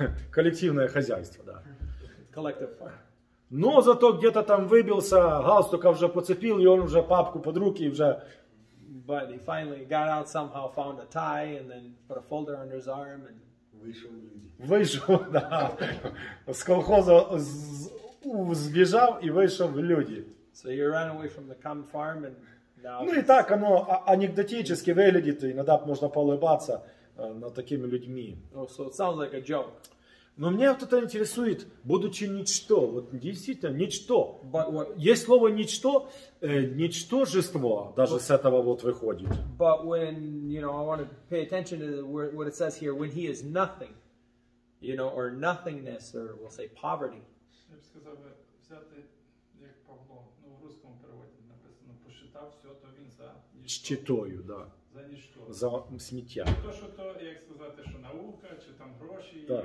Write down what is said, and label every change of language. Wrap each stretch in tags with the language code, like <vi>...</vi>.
<ru>Коллективное хозяйство, да.</ru> <en>Collective farm.</en> <ru>Но зато где-то там выбился, галстука уже поцепил, и он уже папку под руки и уже...</ru> <en>But he finally got out somehow, found a tie, and then put a folder under his arm. And...</en> <ru>Вышел, да. С колхоза сбежал и вышел в люди.</ru> <en>So he ran away from the common farm and now...</en> <ru>Ну и так оно анекдотически выглядит, иногда можно поулыбаться над такими людьми.</ru> <en>Oh, so it sounds like a joke.</en> <ru>Но меня вот это интересует, будучи ничто, вот действительно, ничто. Есть слово ничто, ничтожество даже с этого вот выходит.</ru> <en>But when, you know, I want to pay attention to what it says here, when he is nothing, you know, or nothingness, or we'll say poverty.</en> <ru>Я бы сказал, взятый, как Павло, ну, в русском переводе написано, посчитав все, то він за ничто.</ru> <uk>Считою, да. За сміття. То, що то, як сказати, що наука, чи там гроші, так.</uk>